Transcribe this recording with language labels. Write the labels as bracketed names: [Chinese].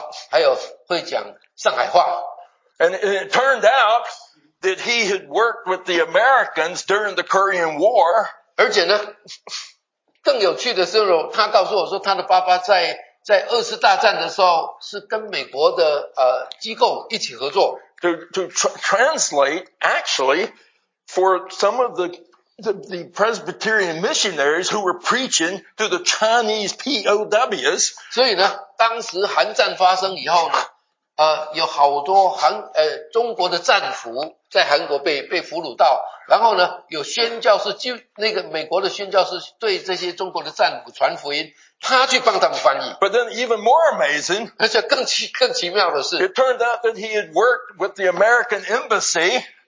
[English] And it turned out that he had worked with the Americans during the Korean War. [Chinese] 而且呢, 更有趣的是, 他告诉我说, 他的爸爸在, 在二次大战的时候, 是跟美国的, 机构一起合作, [English] to translate, actually, for some of the Presbyterian missionaries who were preaching to the Chinese POWs. [Chinese] 所以呢, 当时韩战发生以后呢, 有好多韩中国的战俘在韩国被俘虏到，然后呢，有宣教士，那个美国的宣教士对这些中国的战俘传福音，他去帮他们翻译。 [English] But then even more amazing, [Chinese] 而且更奇妙的是, [English] it turned out that he had worked with the American embassy.